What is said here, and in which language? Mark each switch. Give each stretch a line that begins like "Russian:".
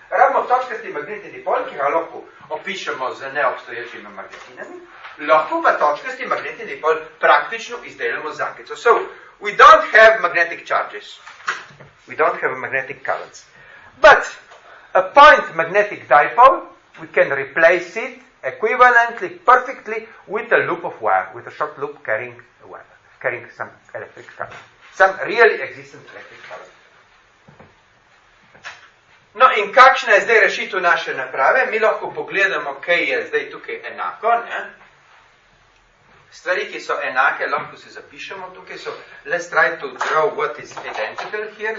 Slovenian: Rabimo točkasti magnetni dipol, ki ga lahko opišemo z neobstoječimi magnetinami, lahko pa točkasti magnetni dipol praktično izdelamo z zankico.
English: So, we don't have magnetic charges. We don't have magnetic currents. But, a point magnetic dipole, we can replace it equivalently, perfectly, with a loop of wire, with a short loop carrying a wire, carrying some electric current. Some really existent electric current.
Slovenian: No, in kakšna je zdaj rešitev naše naprave? Mi lahko pogledamo, kaj je zdaj tukaj enako. Ne? Stvari, ki so enake, lahko si zapišemo tukaj.
English: So, let's try to draw what is identical here.